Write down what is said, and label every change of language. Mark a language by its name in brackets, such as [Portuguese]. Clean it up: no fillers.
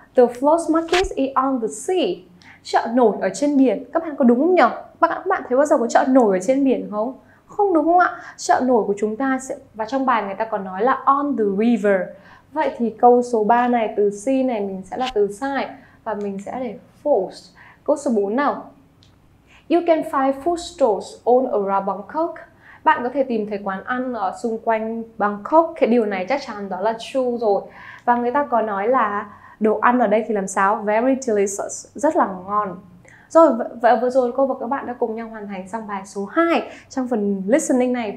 [English] The float market is on the sea. [Vietnamese] Chợ nổi ở trên biển, các bạn có đúng không nhỉ? Các bạn thấy bao giờ có chợ nổi ở trên biển không? Không đúng không ạ? Chợ nổi của chúng ta sẽ, và trong bài người ta còn nói là [English] on the river. [Vietnamese] Vậy thì câu số 3 này, từ C này mình sẽ là từ sai. Và mình sẽ để false. Câu số 4 nào. [English] You can find food stores all around Bangkok. [Vietnamese] Bạn có thể tìm thấy quán ăn ở xung quanh Bangkok. Cái điều này chắc chắn đó là true rồi. Và người ta có nói là đồ ăn ở đây thì làm sao? [English] Very delicious, [Vietnamese] rất là ngon. Rồi, vậy vừa rồi cô và các bạn đã cùng nhau hoàn thành xong bài số 2 trong phần listening này.